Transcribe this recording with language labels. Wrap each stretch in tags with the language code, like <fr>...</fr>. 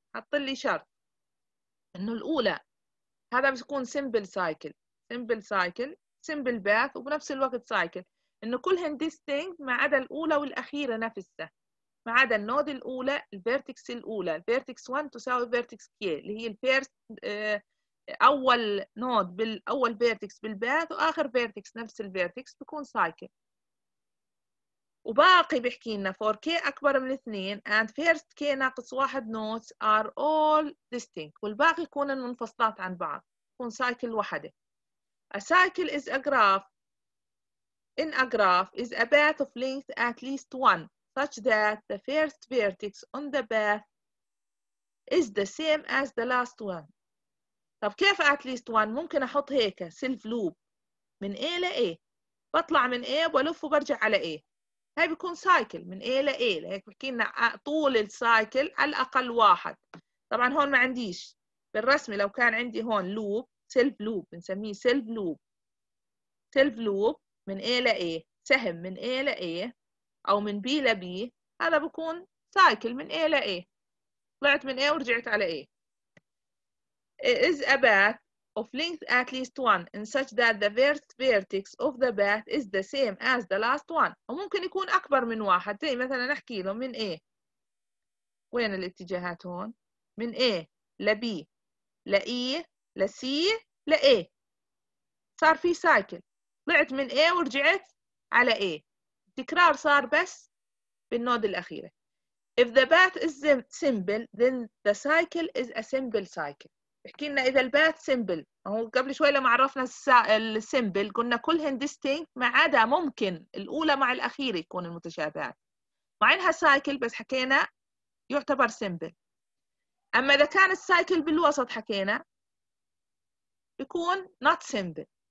<ar>حط لي شرط إنه الأولى، هذا بيكون simple cycle، simple cycle، simple path وبنفس الوقت cycle، إنه كلهن distinct ما عدا الأولى والأخيرة نفسها، ما عدا النود الأولى الفيرتكس الأولى vertex 1 تساوي vertex k اللي هي الفيرست أول نود بالأول vertex بالباث وآخر vertex نفس الvertex بيكون سايكل. وباقي بيحكي لنا for k أكبر من 2 and first k ناقص 1</ar> <en>nodes are all distinct،</en> <ar>والباقي يكون المنفصلات عن بعض، يكون سايكل وحدة.</ar> <en>A cycle is a graph. In a graph is a path of length at least 1 such that the first vertex on the path is the same as the last one.</en> <ar>طب كيف at least one؟ ممكن أحط هيك سيلف لوب من A ل A، بطلع من A وألف وبرجع على A، هاي بيكون سايكل من A ل A. هيك بحكينا طول السايكل على الأقل واحد. طبعا هون ما عنديش بالرسمة، لو كان عندي هون لوب سيلف لوب بنسميه سيلف لوب، سيلف لوب من A ل A، سهم من A ل A أو من B ل B، هذا بيكون سايكل من A ل A، طلعت من A ورجعت على A.</ar> <en>Is a path of length at least one in such that the first vertex of the path is the same as the last one.</en> <ar>وممكن يكون أكبر من واحد، زي مثلا نحكي له من A، وين الاتجاهات هون؟ من A ل B ل E ل C ل A، صار في سايكل، طلعت من A ورجعت على A، تكرار صار بس بالنود الأخيرة.</ar> <en>If the path is simple then the cycle is a simple cycle.</en> <ar>بحكي لنا إذا الباث سيمبل، هو قبل شوي لما عرفنا السيمبل قلنا كلهن ديستينكت ما عدا ممكن الأولى مع الأخيرة يكون المتشابهات، مع إنها سايكل بس حكينا يعتبر سيمبل. أما إذا كان السايكل بالوسط حكينا بيكون not simple.</ar>